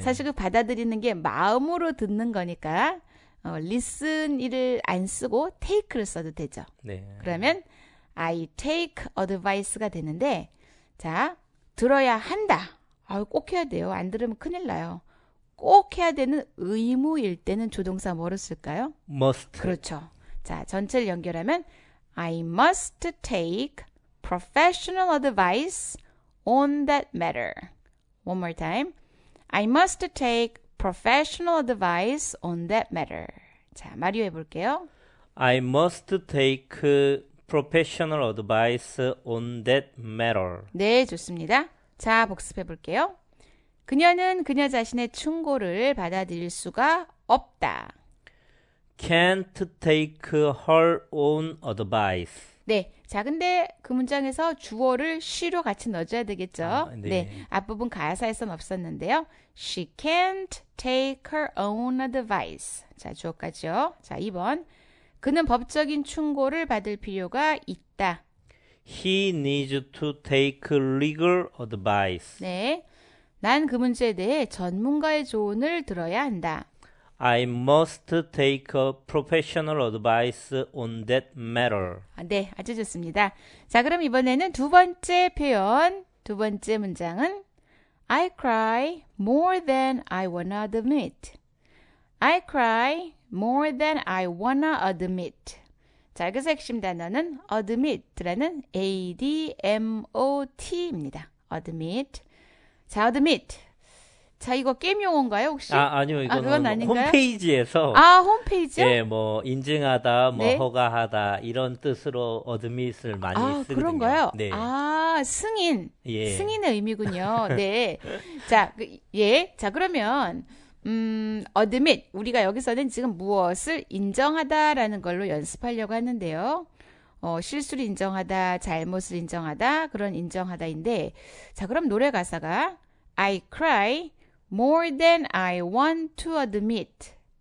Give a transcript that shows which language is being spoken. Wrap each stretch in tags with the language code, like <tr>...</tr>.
<ko>사실 그 받아들이는 게 마음으로 듣는 거니까 listen을 안 쓰고 take를 써도 되죠. 그러면</ko> <en>I take advice</en> <ko>가 되는데 자, 들어야 한다. 아, 꼭 해야 돼요. 안 들으면 큰일 나요. 꼭 해야 되는 의무일 때는 조동사 뭐로 쓸까요?</ko> <en>Must.</en> <ko>그렇죠. 자, 전체를 연결하면</ko> <en>I must take professional advice on that matter. One more time. I must take professional advice on that matter.</en> <ko>자, 마리오 해볼게요.</ko> <en>I must take professional advice on that matter.</en> <ko>네, 좋습니다. 자, 복습해볼게요. 그녀는 그녀 자신의 충고를 받아들일 수가 없다.</ko> <en>Can't take her own advice.</en> <ko>네. 자, 근데 그 문장에서 주어를 she로 같이 넣어줘야 되겠죠? 아, 네. 네. 앞부분 가사에선 없었는데요.</ko> <en>She can't take her own advice.</en> <ko>자, 주어까지요. 자, 2번. 그는 법적인 충고를 받을 필요가 있다.</ko> <en>He needs to take legal advice.</en> <ko>네. 난그 문제에 대해 전문가의 조언을 들어야 한다.</ko> <en>I must take a professional advice on that matter.</en> <ko>네, 아주 좋습니다. 자, 그럼 이번에는 두 번째 표현, 두 번째 문장은</ko> <en>I cry more than I wanna admit. I cry more than I wanna admit.</en> <ko>자, 여기서 핵심 단어는 admit라는 admot입니다.</ko> <en>admit. 자, admit.</en> <ko>자, 이거 게임 용어인가요, 혹시? 아, 아니요. 이거는 아, 그건 아닌가요? 홈페이지에서. 아, 홈페이지요? 예, 뭐 인증하다, 뭐 네? 허가하다 이런 뜻으로 admit을 많이 아, 쓰거든요. 그런가요? 네. 아, 승인. 예. 승인의 의미군요. 네. 자, 그, 예. 자, 그러면 admit. 우리가 여기서는 지금 무엇을 인정하다라는 걸로 연습하려고 하는데요. 실수를 인정하다, 잘못을 인정하다, 그런 인정하다인데. 자, 그럼 노래 가사가</ko> <en>I cry more than I want to admit.</en>